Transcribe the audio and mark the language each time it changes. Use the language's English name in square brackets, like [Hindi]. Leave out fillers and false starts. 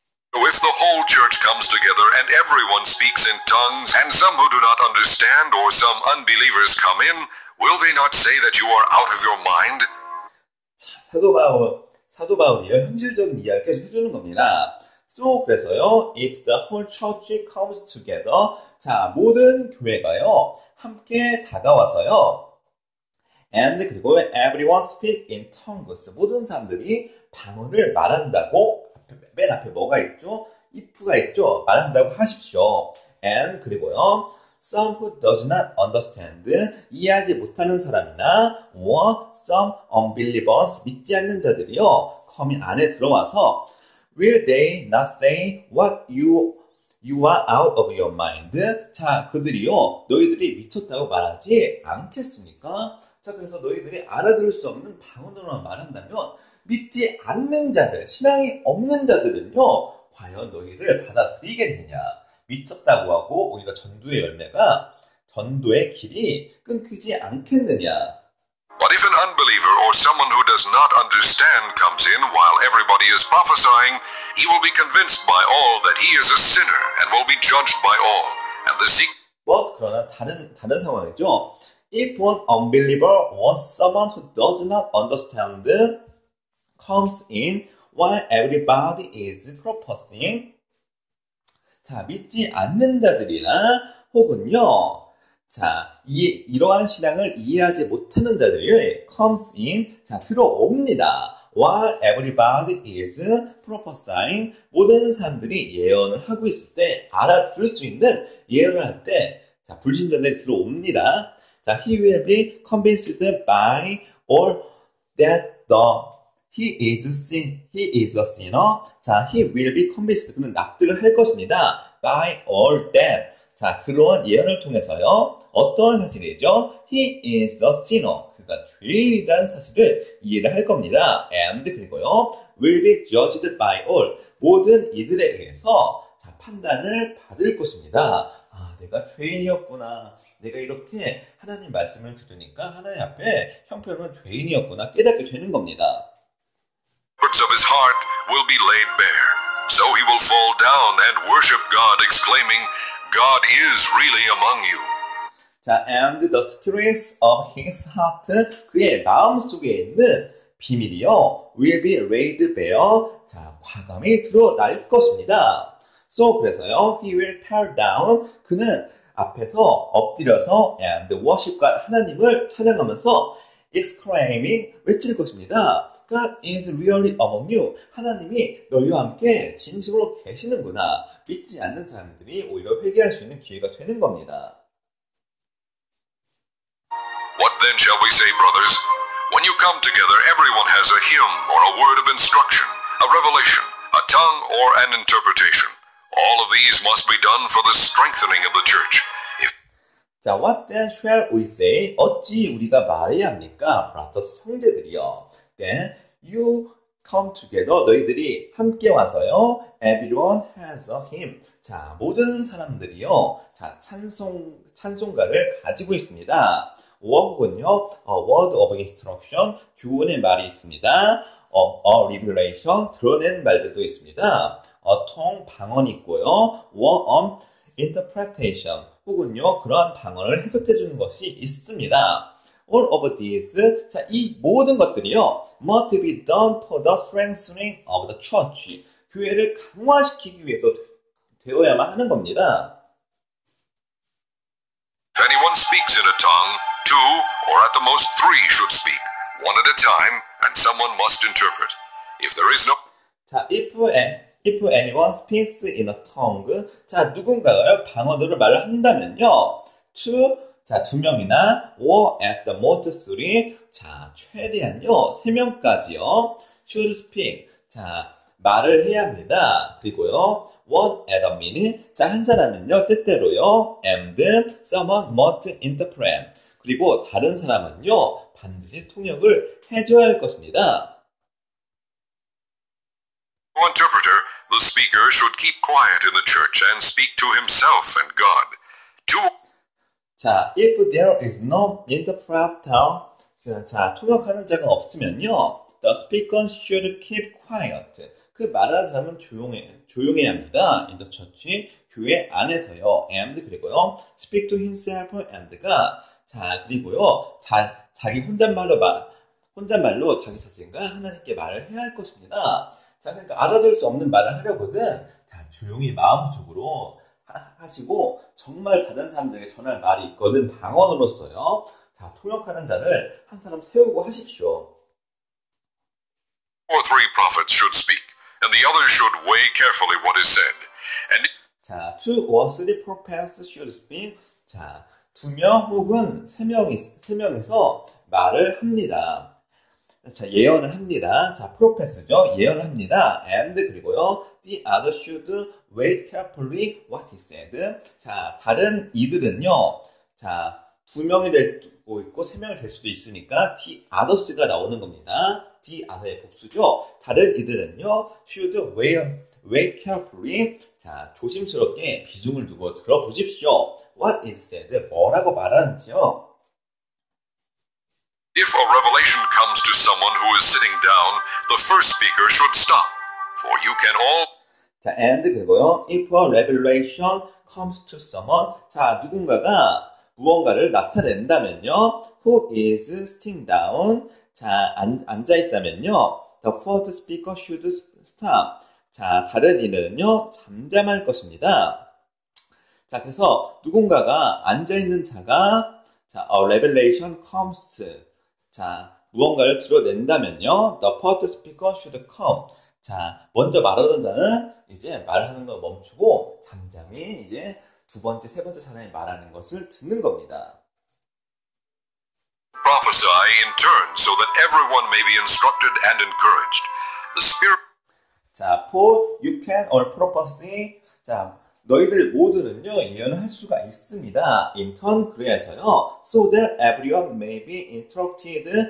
[English] If the whole church comes together and everyone speaks in tongues, and some who do not understand or some unbelievers come in, will they not say that you are out of your mind? [Korean] 사도 바울이요, 현실적인 이야기를 계속 해주는 겁니다. [English] So, [Korean] 그래서요, [English] if the whole church comes together, [Korean] 자, 모든 교회가요, 함께 다가와서요, [English] and [Korean] 그리고 [English] everyone speak in tongues, [Korean] 모든 사람들이 방언을 말한다고, 맨 앞에 뭐가 있죠? [English] if [Korean] 가 있죠? 말한다고 하십시오. [English] and [Korean] 그리고요, [English] some who does not understand, [Korean] 이해하지 못하는 사람이나, [English] or some unbelievers, [Korean] 믿지 않는 자들이요, 거미 안에 들어와서, [English] will they not say what you are out of your mind? [Korean] 자, 그들이요, 너희들이 미쳤다고 말하지 않겠습니까? 자, 그래서 너희들이 알아들을 수 없는 방언으로만 말한다면, 믿지 않는 자들, 신앙이 없는 자들은요, 과연 너희를 받아들이겠느냐? 미쳤다고 하고 오히려 전도의 길이 끊기지 않겠느냐? [English] But if an unbeliever or someone who does not understand comes in while everybody is prophesying, he will be convinced by all that he is a sinner and will be judged by all. And the secret. But [Korean] 그러나 다른 상황이죠. [English] If one unbeliever or someone who does not understand comes in while everybody is prophesying. [Korean] 자, 믿지 않는 자들이나 혹은요. 자, 이러한 신앙을 이해하지 못하는 자들이 [English] comes in, [Korean] 자, 들어옵니다. [English] While everybody is prophesying, [Korean] 모든 사람들이 예언을 하고 있을 때 알아들을 수 있는 예언을 할 때 자, 불신자들이 들어옵니다. [English] 자, he will be convinced by all that the he is a sinner. 자, he will be convinced. [Korean] 그는 납득을 할 것입니다. [English] By all that. [Korean] 자, 그러한 예언을 통해서요. 어떤 사실이죠? [English] He is a sinner. [Korean] 그가 죄인이라는 사실을 이해를 할 겁니다. [English] And [Korean] 그리고요. [English] Will be judged by all. [Korean] 모든 이들에 의해서 자, 판단을 받을 것입니다. 아, 내가 죄인이었구나. 내가 이렇게 하나님 말씀을 들으니까 하나님 앞에 형편은 죄인이었구나 깨닫게 되는 겁니다. [English] Parts of his heart will be laid bare. So he will fall down and worship God, exclaiming, God is really among you. 자, and the secrets of his heart, [Korean] 그의 마음 속에 있는 비밀이요, [English] will be laid bare. [Korean] 자, 과감히 드러날 것입니다. [English] So, [Korean] 그래서요, [English] he will fall down. [Korean] 그는 앞에서 엎드려서 [English] and worship God, [Korean] 하나님을 찬양하면서 [English] exclaiming, [Korean] 외칠 것입니다. [English] God is really among you. [Korean] 하나님이 너희와 함께 진심으로 계시는구나. 믿지 않는 사람들이 오히려 회개할 수 있는 기회가 되는 겁니다. [English] What then shall we say, brothers? When you come together, everyone has a hymn or a word of instruction, a revelation, a tongue or an interpretation. All of these must be done for the strengthening of the church. 자, what then shall we say? [Korean] 어찌 우리가 말해야 합니까? 브라더 성대들이여. [English] Then you come together. [Korean] 너희들이 함께 와서요. [English] Everyone has a hymn. [Korean] 자, 모든 사람들이요. 자, 찬송가를 가지고 있습니다. 혹은요. [English] A word of instruction. [Korean] 교훈의 말이 있습니다. [English] A revelation. [Korean] 드러낸 말들도 있습니다. [English] A tongue. [Korean] 방언이 있고요. [English] Or interpretation. [Korean] 혹은요. 그러한 방언을 해석해 주는 것이 있습니다. [English] All of these, 자, [Korean] 이 모든 것들이요, [English] must be done for the strengthening of the church. [Korean] 교회를 강화시키기 위해서 되어야만 하는 겁니다. [English] If anyone speaks in a tongue, two or at the most three should speak, one at a time, and someone must interpret. If there is no. [Korean] 자, [English] if anyone speaks in a tongue, [Korean] 자, 누군가가요, 방언으로 말을 한다면요, [English] two, [Korean] 자, 두 명이나 [English] or at the most three, [Korean] 자, 최대한요, 세 명까지요, [English] should speak, [Korean] 자, 말을 해야 합니다. 그리고요, [English] one at a minute, 자, [Korean] 한 사람은요, 때때로요, [English] and someone must interpret. [Korean] 그리고 다른 사람은요, 반드시 통역을 해줘야 할 것입니다. [English] For interpreter, the speaker should keep quiet in the church and speak to himself and God. 자, if there is no interpreter, 자, [Korean] 통역하는 자가 없으면요, [English] the speaker should keep quiet. [Korean] 그 말하는 사람은 조용해야 합니다. [English] In the church, [Korean] 교회 안에서요, [English] and [Korean] 그리고요, [English] speak to himself and God. [Korean] 자, 그리고요, 자기 혼잣말로 자기 자신과 하나님께 말을 해야 할 것입니다. 자, 그러니까 알아들 수 없는 말을 하려거든, 자, 조용히 마음속으로 하시고 정말 다른 사람들에게 전할 말이 있거든 방언으로서요. 자, 통역하는 자를 한 사람 세우고 하십시오. [English] Or three prophets should speak, and the others should weigh carefully what is said. And 자, two or three prophets should speak. [Korean] 자, 두 명 혹은 세 명에서 말을 합니다. 자, 예언을 합니다. 자, 프로페스죠. 예언을 합니다. [English] And [Korean] 그리고요. [English] The other should wait carefully what he said. [Korean] 자, 다른 이들은요. 자, 두 명이 될 수도 있고 세 명이 될 수도 있으니까 [English] the others [Korean] 가 나오는 겁니다. [English] The other의 [Korean] 복수죠. 다른 이들은요. [English] Should wait carefully. [Korean] 자, 조심스럽게 비중을 두고 들어보십시오. [English] What is said. [Korean] 뭐라고 말하는지요. [English] If a revelation comes to someone who is sitting down, the first speaker should stop, for you can all. 자, and [Korean] 그리고요, [English] if a revelation comes to someone, 자, [Korean] 누군가가 무언가를 나타낸다면요, [English] who is sitting down, 자, [Korean] 앉아 있다면요, [English] The first speaker should stop. [Korean] 자, 다른 이는요, 잠잠할 것입니다. 자, 그래서 누군가가 앉아 있는 자가 자, [English] a revelation comes. 자, [Korean] 무언가를 드러낸다면요, [English] the first speaker should come. [Korean] 자, 먼저 말하던 자는 이제 말하는 걸 멈추고 잠잠히 이제 두 번째, 세 번째 사람이 말하는 것을 듣는 겁니다. [English] Prophesy in turn so that everyone may be instructed and encouraged. The Spirit. 자, for you can all prophecy. [Korean] 자, 너희들 모두는요, 예언할 수가 있습니다. [English] In turn, [Korean] 그래서요, [English] so that everyone may be instructed.